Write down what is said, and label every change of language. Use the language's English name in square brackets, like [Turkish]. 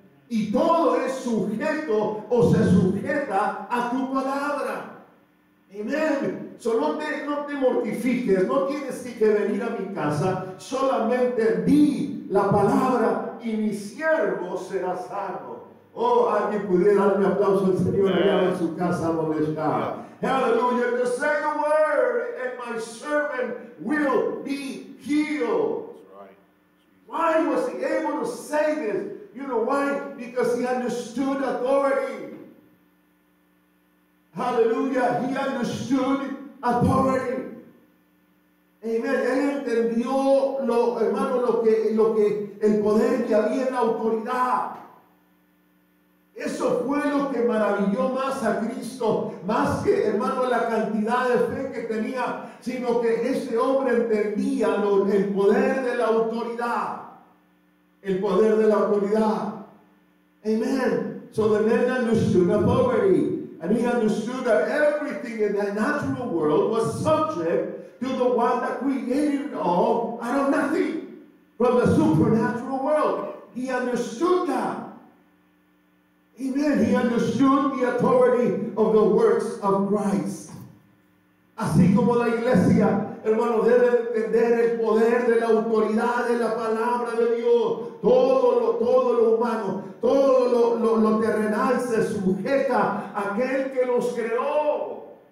[Spanish] Y todo es sujeto o se sujeta a tu palabra. Amén. Solo no te mortifiques, no tienes que venir a mi casa, solamente di la palabra y mi siervo será salvo. Oh, alguien pudiera darle aplauso al Señor allá en su casa donde está. Aleluya. [English] Just say the word and my servant will be healed. Why was he able to say this? You know why? Because he understood authority. Aleluya. He understood authority. Amen. [Spanish] Él entendió lo, hermano, lo que el poder que había en la autoridad. Eso fue lo que maravilló más a Cristo, más que, hermano, la cantidad de fe que tenía, sino que ese hombre entendía el poder de la autoridad. El poder de la autoridad. Amen. [English] So the man understood authority, and he understood that everything in the natural world was subject to the one that created it all out of nothing, from the supernatural world. He understood that. Amen. He understood the authority of the works of Christ. [Spanish] Así como la iglesia, hermano, debe entender el poder de la autoridad de la palabra de Dios. Todo lo humano, todo lo terrenal se sujeta a aquel que los creó.